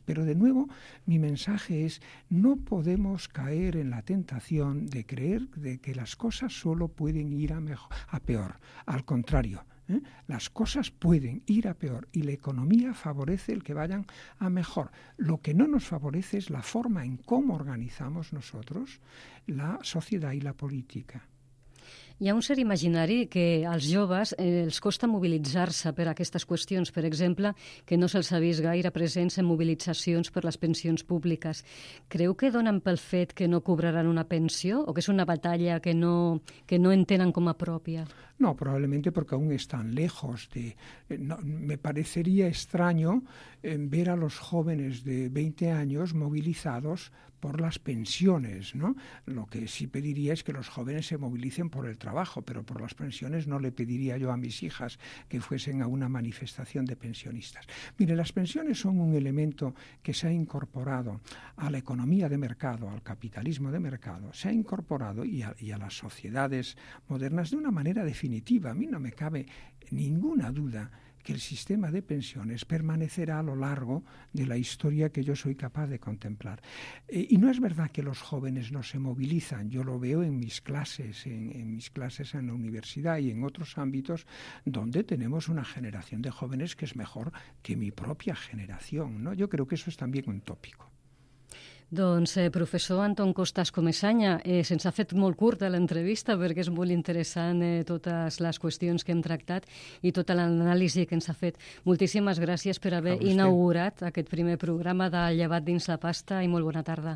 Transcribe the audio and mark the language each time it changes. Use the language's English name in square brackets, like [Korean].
[Spanish] Pero, de nuevo, mi mensaje es, no podemos caer en la tentación de creer de que las cosas solo pueden ir a peor. Al contrario, las cosas pueden ir a peor y la economía favorece el que vayan a mejor. Lo que no nos favorece es la forma en cómo organizamos nosotros la sociedad y la política. [Catalan] Hi ha un cert imaginari que als joves els costa mobilitzar-se per aquestes qüestions, per exemple, que no se'ls ha vist gaire presents en mobilitzacions per les pensions públiques. Creu que donen pel fet que no cobraran una pensió o que és una batalla que no entenen com a pròpia? [Spanish] No, probablemente porque aún están lejos de... No, me parecería extraño ver a los jóvenes de 20 años movilizados por las pensiones, ¿no? Lo que sí pediría es que los jóvenes se movilicen por el trabajo, pero por las pensiones no le pediría yo a mis hijas que fuesen a una manifestación de pensionistas. Mire, las pensiones son un elemento que se ha incorporado a la economía de mercado, al capitalismo de mercado, se ha incorporado y a las sociedades modernas de una manera definitiva. A mí no me cabe ninguna duda que el sistema de pensiones permanecerá a lo largo de la historia que yo soy capaz de contemplar. Y no es verdad que los jóvenes no se movilizan. Yo lo veo en mis clases, en mis clases en la universidad y en otros ámbitos donde tenemos una generación de jóvenes que es mejor que mi propia generación, ¿no? Yo creo que eso es también un tópico. [Catalan] Doncs, professor Anton Costas Comesaña, se'ns ha fet molt curta l'entrevista perquè és molt interessant totes les qüestions que hem tractat i tota l'anàlisi que ens ha fet. Moltíssimes gràcies per haver inaugurat aquest primer programa de Llevat dins la pasta i molt bona tarda.